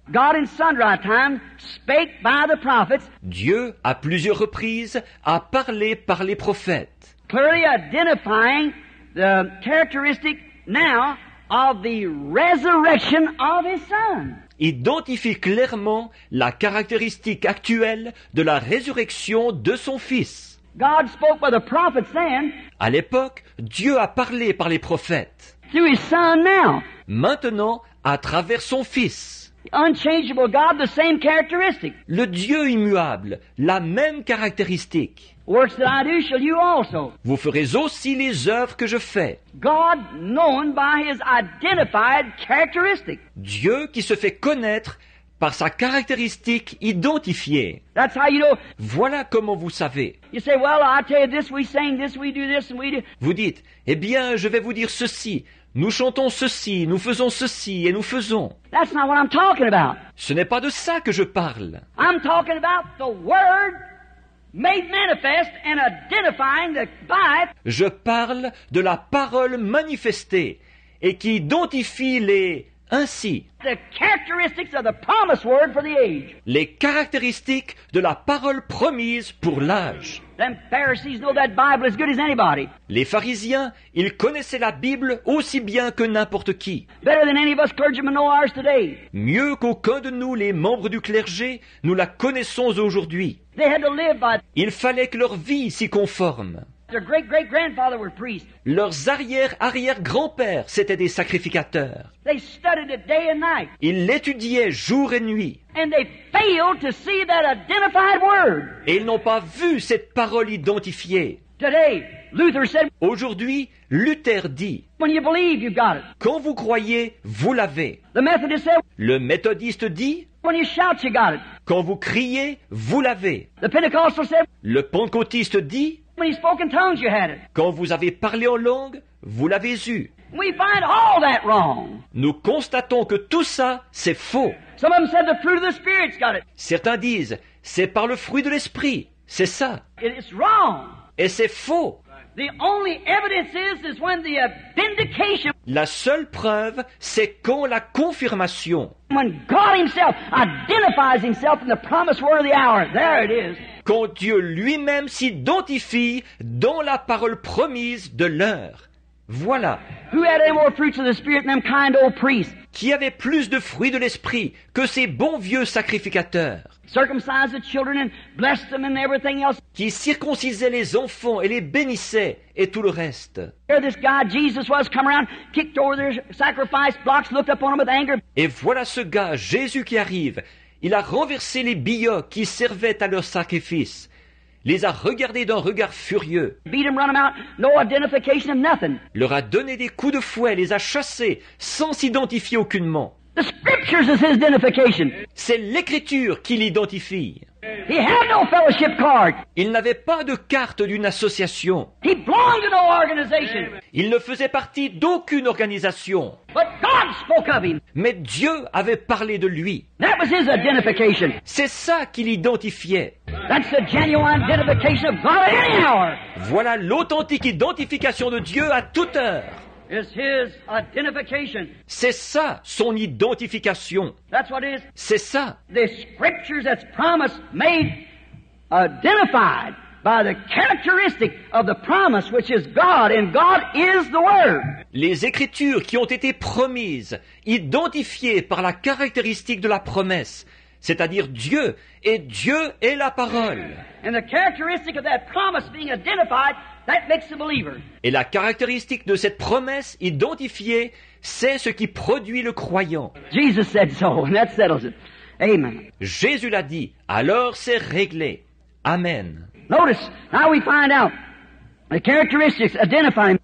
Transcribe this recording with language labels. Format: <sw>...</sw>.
<en>God in sundry times spake by the prophets.</en> <fr>Dieu, à plusieurs reprises, a parlé par les prophètes.</fr> <en>Clearly identifying the characteristic now of the resurrection of his son.</en> <fr>Identifie clairement la caractéristique actuelle de la résurrection de son fils.</fr> <en>God spoke by the prophets then.</en> <fr>À l'époque, Dieu a parlé par les prophètes.</fr> <en>Through his son now.</en> <fr>Maintenant, à travers son fils.</fr> <en>Unchangeable God, the same characteristic.</en> <fr>Le Dieu immuable, la même caractéristique.</fr> <en>Works that I do shall you also.</en> <fr>Vous ferez aussi les œuvres que je fais.</fr> <en>God known by his identified characteristic.</en> <fr>Dieu qui se fait connaître par sa caractéristique identifiée.</fr> <en>That's how you know.</en> <fr>Voilà comment vous savez.</fr> <en>You say, well, I tell you this, we sing this, we do this, and we do.</en> <fr>Vous dites, eh bien, je vais vous dire ceci. Nous chantons ceci, nous faisons ceci et nous faisons.</fr> <en>That's not what I'm talking about.</en> <fr>Ce n'est pas de ça que je parle.</fr> <en>I'm talking about the word made manifest and identifying the Bible.</en> <fr>Je parle de la parole manifestée et qui identifie les ainsi.</fr> <en>The characteristics of the promised word for the age.</en> <fr>Les caractéristiques de la parole promise pour l'âge.</fr> <en>Them Pharisees know that Bible as good as anybody.</en> <fr>Les pharisiens, ils connaissaient la Bible aussi bien que n'importe qui.</fr> <en>Better than any of us clergymen know ours today.</en> <fr>Mieux qu'aucun de nous, les membres du clergé, nous la connaissons aujourd'hui.</fr> <en>They had to live by.</en> <fr>Il fallait que leur vie s'y conforme.</fr> <en>Their great-great-grandfather were priests.</en> <fr>Leurs arrière-arrière-grands-pères, c'étaient des sacrificateurs.</fr> <en>They studied it day and night.</en> <fr>Ils l'étudiaient jour et nuit.</fr> <en>And they failed to see that identified word.</en> <fr>Et ils n'ont pas vu cette parole identifiée.</fr> <en>Today, Luther said.</en> <fr>Aujourd'hui, Luther dit.</fr> <en>When you believe, you've got it.</en> <fr>Quand vous croyez, vous l'avez.</fr> <en>The Methodist said.</en> <fr>Le méthodiste dit.</fr> <en>When you shout, you got it.</en> <fr>Quand vous criez, vous l'avez.</fr> <en>The Pentecostal said.</en> <fr>Le pentecôtiste dit.</fr> <en>When you spoke in tongues, you had it.</en> <fr>Quand vous avez parlé en langue, vous l'avez eu.</fr> <en>We find all that wrong.</en> <fr>Nous constatons que tout ça, c'est faux.</fr> <en>Some of them said the fruit of the Spirit's got it.</en> <fr>Certains disent, c'est par le fruit de l'Esprit, c'est ça.</fr> <en>It is wrong.</en> <fr>Et c'est faux.</fr> <en>The only evidence is when the vindication.</en> <fr>La seule preuve, c'est quand la confirmation.</fr> <en>When God himself identifies himself in the promised word of the hour. There it is.</en> <fr>Quand Dieu lui-même s'identifie dans la parole promise de l'heure. Voilà.</fr> <en>Who had any more fruits of the Spirit than them kind old priests?</en> <fr>Qui avait plus de fruits de l'Esprit que ces bons vieux sacrificateurs?</fr> <en>Circumcised the children and blessed them and everything else.</en> <fr>Qui circoncisait les enfants et les bénissait et tout le reste.</fr> <en>Here this guy, Jesus was, come around, kicked over their sacrifice blocks, looked upon them with anger.</en> <fr>Et voilà ce gars, Jésus qui arrive. Il a renversé les billots qui servaient à leur sacrifice. Les a regardés d'un regard furieux.</fr> <en>Beat him, run him out, no identification of nothing.</en> <fr>Leur a donné des coups de fouet, les a chassés, sans s'identifier aucunement.</fr> <en>The scriptures is his identification.</en> <fr>C'est l'écriture qui l'identifie.</fr> <en>He had no fellowship card.</en> <fr>Il n'avait pas de carte d'une association.</fr> <en>He belonged to no organization.</en> <fr>Il ne faisait partie d'aucune organisation.</fr> <en>But God spoke of him.</en> <fr>Mais Dieu avait parlé de lui.</fr> <en>That was his identification.</en> <fr>C'est ça qui l'identifiait.</fr> <en>That's the genuine identification of God at any hour.</en> <fr>Voilà l'authentique identification de Dieu à toute heure.</fr> <en>is his identification.</en> <fr>C'est ça, son identification.</fr> <en>That's what it is.</en> <fr>C'est ça.</fr> <en>The scriptures that's promised made identified by the characteristic of the promise, which is God, and God is the Word.</en> <fr>Les Écritures qui ont été promises, identifiées par la caractéristique de la promesse, c'est-à-dire Dieu, et Dieu est la parole.</fr> <en>And the characteristic of that promise being identified, that makes the believer.</en> <fr>Et la caractéristique de cette promesse identifiée, c'est ce qui produit le croyant.</fr> <en>Jesus said so, and that settles it. Amen.</en> <fr>Jésus l'a dit, alors c'est réglé. Amen.</fr> <en>Notice how we find out the characteristics identify him.</en>